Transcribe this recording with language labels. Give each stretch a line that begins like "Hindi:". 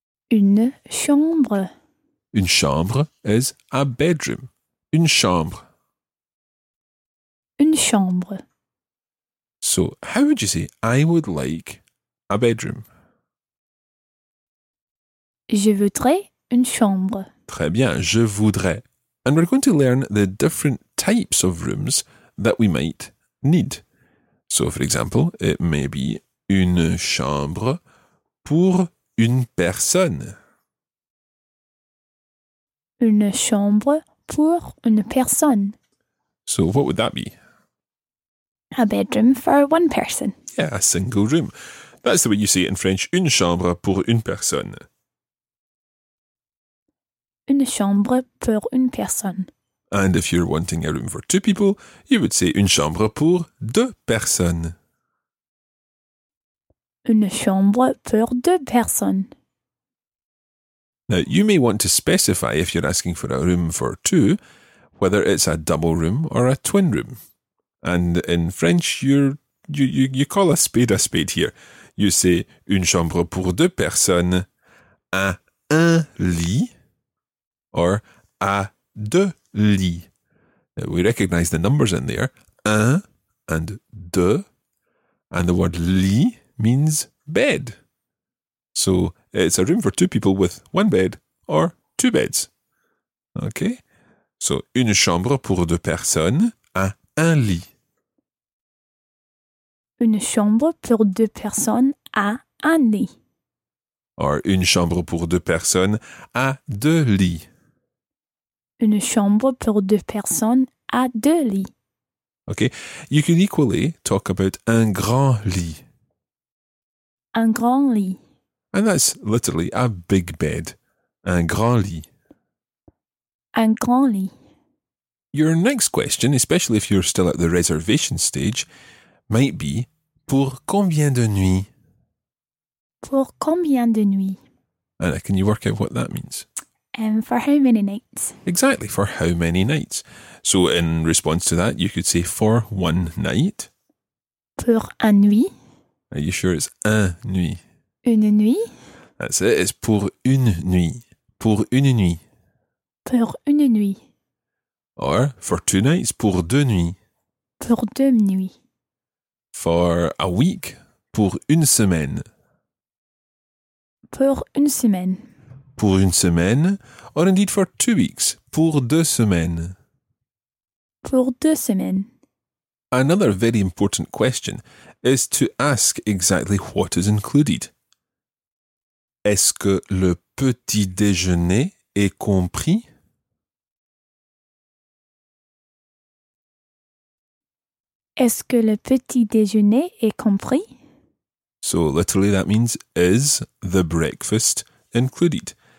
French: Une chambre. Une chambre
English: is a bedroom.
French: Une chambre. Une chambre.
English: So, how would you say I would like a bedroom?
French: Je voudrais une chambre. Très bien, je voudrais.
English: And we're going to learn the different types of rooms that we might need. So, for example, it may be
French: une chambre pour une personne. Une chambre pour une personne.
English: So, what would that be? A bedroom for one person. Yeah, a single room. That's the way you say it in French,
French: une chambre pour une personne. Une chambre pour une personne.
English: And if you're wanting a room for two people, you would say
French: une chambre pour deux personnes. Une chambre pour deux personnes.
English: Now, you may want to specify, if you're asking for a room for two, whether it's a double room or a twin room. And in French, you call a spade here. You say
French: une chambre pour deux personnes à un lit. Or, à deux lits.
English: Now, we recognise the numbers in there, un and deux, and the word lit means bed. So, it's a room for two people with one bed or two beds. Okay?
French: So, une chambre pour deux personnes à un lit. Une chambre pour deux personnes à un lit. Or, une chambre pour deux personnes à deux lits. Une chambre pour deux personnes à deux lits.
English: Okay, you can equally talk about
French: un grand lit. Un grand lit.
English: And that's literally a big bed.
French: Un grand lit. Un grand lit.
English: Your next question, especially if you're still at the reservation stage, might be
French: pour combien de nuits? Pour combien de nuits?
English: Anna, can you work out what that means? For how many nights? Exactly, for how many nights. So in response to that, you could say for one night.
French: Pour un nuit.
English: Are you sure it's
French: un nuit? Une nuit. That's it, it's pour une nuit. Pour une nuit. Pour une nuit.
English: Or for two nights,
French: pour deux nuits. Pour deux nuits.
English: For a week,
French: pour une semaine. Pour une semaine. Pour une semaine,
English: or indeed for 2 weeks,
French: pour deux semaines. Pour deux semaines.
English: Another very important question is to ask exactly what is included.
French: Est-ce que le petit déjeuner est compris? Est-ce que le petit déjeuner est compris?
English: So literally that means, is the breakfast included?